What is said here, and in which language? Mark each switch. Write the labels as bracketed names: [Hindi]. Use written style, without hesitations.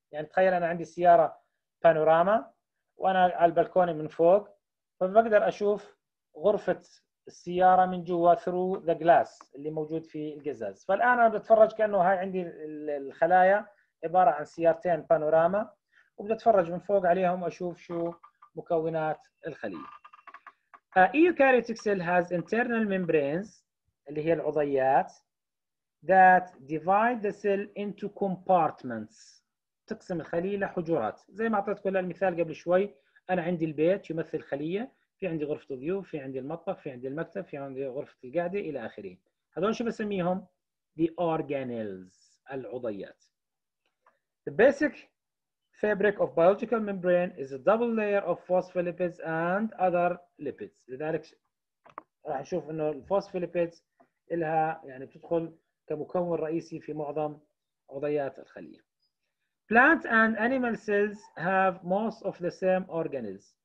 [Arabic] يعني تخيل أنا عندي سيارة بانوراما وأنا على البلكونة من فوق، فبقدر أشوف غرفة السيارة من جوا [English] through the glass [Arabic] اللي موجود في القزاز. فالآن أنا بتفرج كأنه هاي عندي الخلايا عبارة عن سيارتين بانوراما، وبتفرج من فوق عليهم وأشوف شو مكونات الخلية. [English] Eukaryotic cell has internal membranes [Arabic] اللي هي العضيات [English] that divide the cell into compartments. [Arabic] تقسم الخلية لحجرات زي ما أعطيتكم المثال قبل شوي. أنا عندي البيت يمثل خلية، في عندي غرفة ضيوف، في عندي المطبخ، في عندي المكتب، في عندي غرفة القاعدة إلى آخره. هذول شو بسميهم؟ The organelles العضيات. [English] The basic fabric of biological membrane is a double layer of phospholipids and other lipids. [Arabic] لذلك راح نشوف إنه الفوسفوليبيدز إلها يعني بتدخل كمكون رئيسي في معظم عضيات الخلية. [English] Plant and animal cells have most of the same organelles.